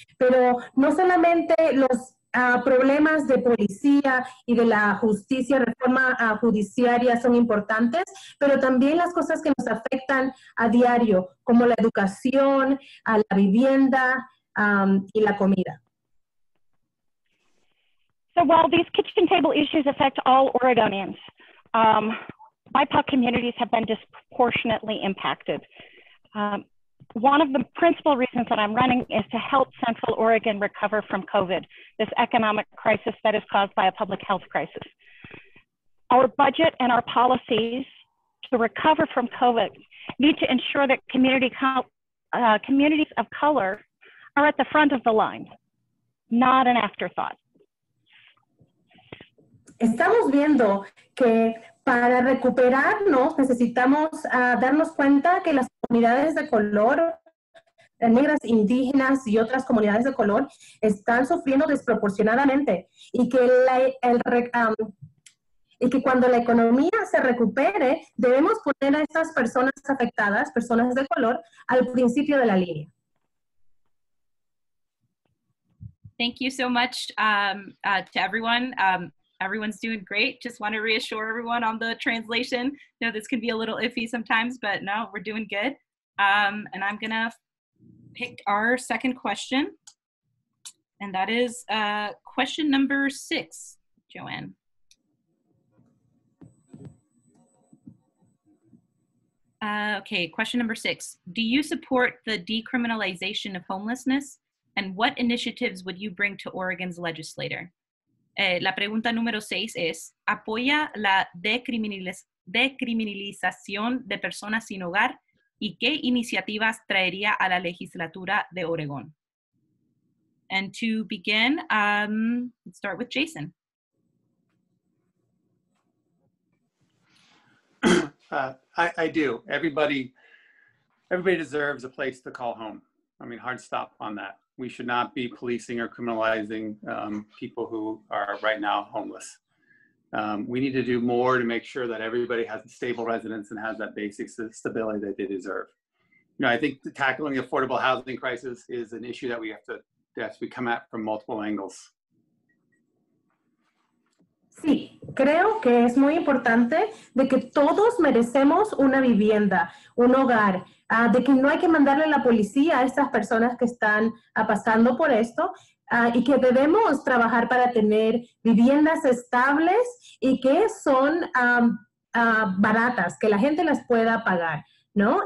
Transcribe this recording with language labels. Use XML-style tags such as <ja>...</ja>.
<es>Pero no solamente los problemas de policía y de la justicia, reforma judiciaria son importantes, pero también las cosas que nos afectan a diario, como la educación, la vivienda y la comida.</es> <en>So while these kitchen table issues affect all Oregonians, BIPOC communities have been disproportionately impacted. One of the principal reasons that I'm running is to help Central Oregon recover from COVID, this economic crisis that is caused by a public health crisis. Our budget and our policies to recover from COVID need to ensure that communities of color are at the front of the line, not an afterthought.</en> <es>Estamos viendo que para recuperarnos necesitamos darnos cuenta que las comunidades de color, negras, indígenas y otras comunidades de color están sufriendo desproporcionadamente y que cuando la economía se recupere debemos poner a estas personas afectadas, personas de color, al principio de la línea.</es> <en>Thank you so much to everyone. Everyone's doing great. Just want to reassure everyone on the translation. You know, this can be a little iffy sometimes, but no, we're doing good. And I'm going to pick our second question. And that is question number 6, Joanne. Okay, question number 6. Do you support the decriminalization of homelessness? And what initiatives would you bring to Oregon's legislature?</en> <es>La pregunta número 6 es, ¿apoya la decriminalización de personas sin hogar y qué iniciativas traería a la legislatura de Oregón?</es> <en>And to begin, let's start with Jason. I do. Everybody deserves a place to call home. I mean, hard stop on that. We should not be policing or criminalizing people who are right now homeless. We need to do more to make sure that everybody has a stable residence and has that basic stability that they deserve. You know, I think tackling the affordable housing crisis is an issue that we have to come at from multiple angles.</en> <es>Sí, creo que es muy importante de que todos merecemos una vivienda, un hogar, de que no hay que mandarle la policía a estas personas que están pasando por esto, y que debemos trabajar para tener viviendas estables y que son baratas, que la gente las pueda pagar, ¿no?</es>